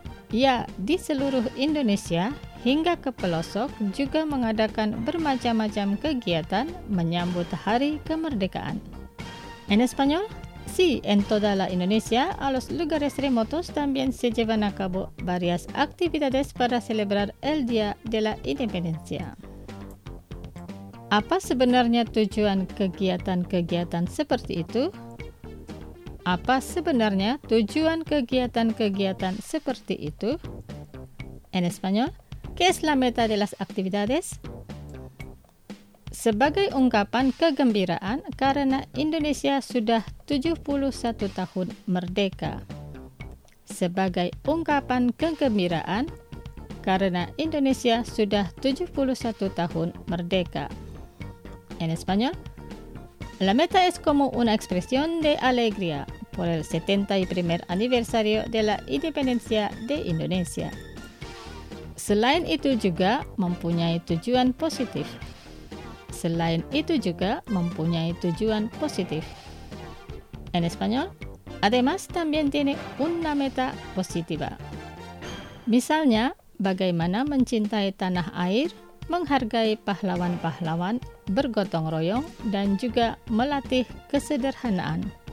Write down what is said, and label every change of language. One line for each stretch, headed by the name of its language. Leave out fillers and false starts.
Indonesian: Ya, di seluruh Indonesia hingga ke pelosok juga mengadakan bermacam-macam kegiatan menyambut Hari Kemerdekaan.
Spanish: En español, sí, en toda la Indonesia, a los lugares remotos también se llevan a cabo varias actividades para celebrar el Día de la Independencia.
Indonesian: Apa sebenarnya tujuan kegiatan-kegiatan seperti itu? Apa sebenarnya tujuan kegiatan-kegiatan seperti itu?
Spanish: En español, ¿qué es la meta de las actividades?
Indonesian: Sebagai ungkapan kegembiraan karena Indonesia sudah 71 tahun merdeka. Sebagai ungkapan kegembiraan karena Indonesia sudah 71 tahun merdeka.
Spanish: En español, la meta es como una expresión de alegría por el 71 aniversario de la independencia de Indonesia.
Indonesian: Selain itu juga mempunyai tujuan positif. Selain itu juga mempunyai tujuan positif.
Spanish: En español, además también tiene una meta positiva.
Indonesian: Misalnya, bagaimana mencintai tanah air, menghargai pahlawan-pahlawan, bergotong royong, dan juga melatih kesederhanaan.